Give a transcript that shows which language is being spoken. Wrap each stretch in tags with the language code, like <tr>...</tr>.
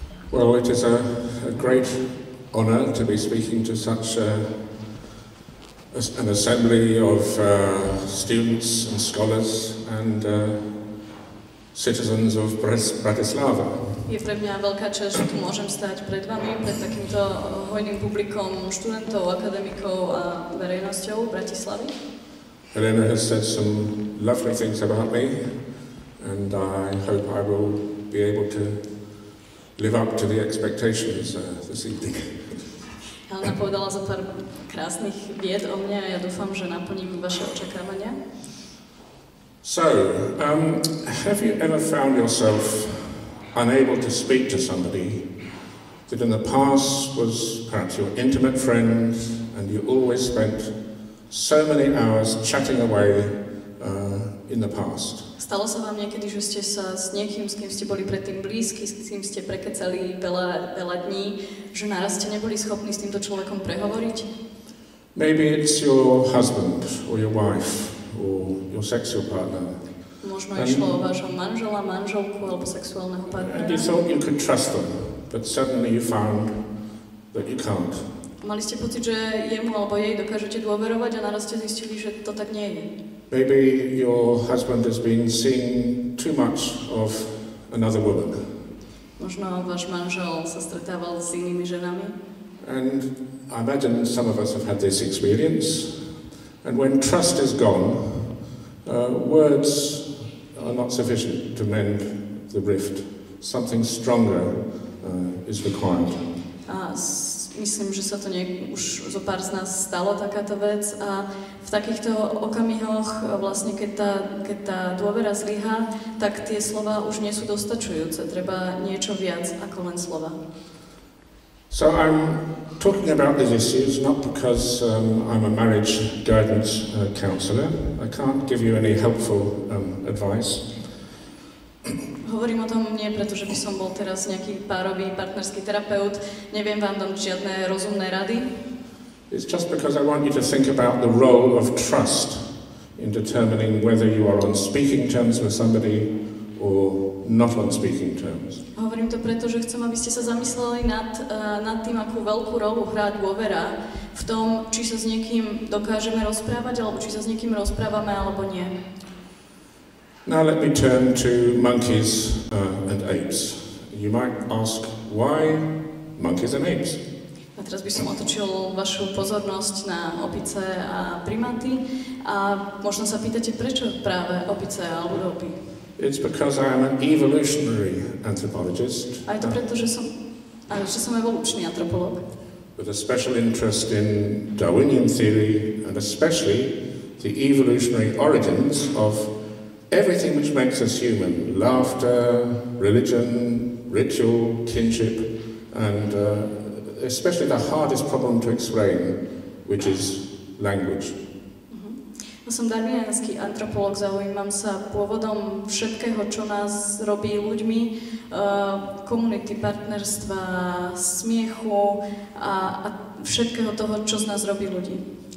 <en>Well, it is a great honor to be speaking to such an assembly of students and scholars and citizens of Bratislava.</en> <sk>Je pre mňa veľká čas, že tu môžem stať pred vami, pred takýmto hojným publikom študentov, akademikov a verejnosťou Bratislavy.</sk> <en>Helena has said some lovely things about me, and I hope I will be able to live up to the expectations this evening.</en> <sk>Helena povedala za pár krásnych vied o mne a ja dúfam, že naplním vaše očakávania.</sk> <en>So, have you ever found yourself unable to speak to somebody that in the past was perhaps your intimate friend and you always spent so many hours chatting away in the past?</en> <sk>Stalo sa vám niekedy, že ste sa s niekým, s kým ste boli predtým blízky, s kým ste prekecali veľa, veľa dní, že naraz ste neboli schopní s týmto človekom prehovoriť?</sk> <en>Maybe it's your husband, or your wife, or your sexual partner.</en> <sk>Možno išlo o vášho manžela, manželku, alebo sexuálneho partnera.</sk> <en>And you thought you could trust them, but suddenly you found that you can't.</en> <sk>Mali ste pocit, že jemu alebo jej dokážete dôverovať a naraz ste zistili, že to tak nie je.</sk> <en>Maybe your husband has been seeing too much of another woman.</en> <sk>Možno váš manžel sa stretával s inými ženami.</sk> <en>And I imagine some of us have had this experience. And when trust is gone, words are not sufficient to mend the rift. Something stronger is required.</en> <sk>Myslím, že sa to už zo pár z nás stalo takáto vec a v takýchto okamihoch, vlastne keď tá dôvera zlyhá, tak tie slova už nie sú dostačujúce, treba niečo viac ako len slova.</sk> <en>So I'm talking about these issues not because I'm a marriage guidance counselor. I can't give you any helpful advice.</en> <sk>Hovorím o tom nie, pretože by som bol teraz nejaký párový partnerský terapeut. Neviem vám dať žiadne rozumné rady.</sk> <en>It's just because I want you to think about the role of trust in determining whether you are on speaking terms with somebody or not on speaking terms.</en> <sk>Hovorím to preto, že chcem, aby ste sa zamysleli nad tým, akú veľkú rolu hrá dôvera v tom, či sa s niekým dokážeme rozprávať, alebo či sa s niekým rozprávame, alebo nie.</sk> <en>Now let me turn to monkeys and apes. You might ask, why monkeys and apes?</en> <sk>A teraz by som otočil vašu pozornosť na opice a primáty a možno sa pýtate, prečo práve opice alebo opy?</sk> <en>It's because I am an evolutionary anthropologist.</en> <sk>A je to preto, že som evolučný antropolog.</sk> <en>With a special interest in Darwinian theory and especially the evolutionary origins of everything which makes us human, laughter, religion, ritual, kinship, and especially the hardest problem to explain, which is language.</en> <sk>Ja som darwiniansky antropolog, zaujímam sa pôvodom všetkého, čo nás robí ľuďmi, komunity, partnerstva, smiechu a všetkého toho, čo z nás robí ľudí.</sk>